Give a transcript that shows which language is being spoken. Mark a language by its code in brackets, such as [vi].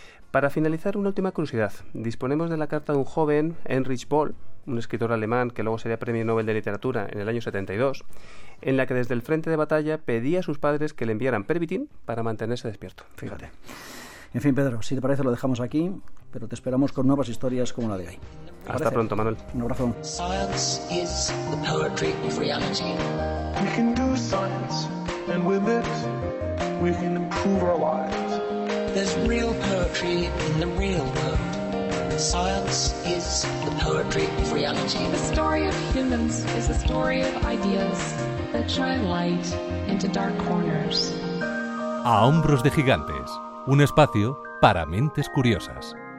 [es] Para finalizar, una última curiosidad. Disponemos de la carta de un joven, Heinrich Boll, un escritor alemán que luego sería premio Nobel de Literatura en el año 72, en la que desde el frente de batalla pedía a sus padres que le enviaran pervitin para mantenerse despierto. Fíjate. En fin, Pedro, si te parece lo dejamos aquí, pero te esperamos con nuevas historias como la de hoy. Hasta parece? Pronto, Manuel. Un abrazo. [en] Science is the poetry of reality. We can do science, and with it, we can improve our lives. There's real poetry in the real world. Science is the poetry of reality. The story of humans is a story of ideas that shine light into dark corners. [es] A hombros de gigantes. Un espacio para mentes curiosas.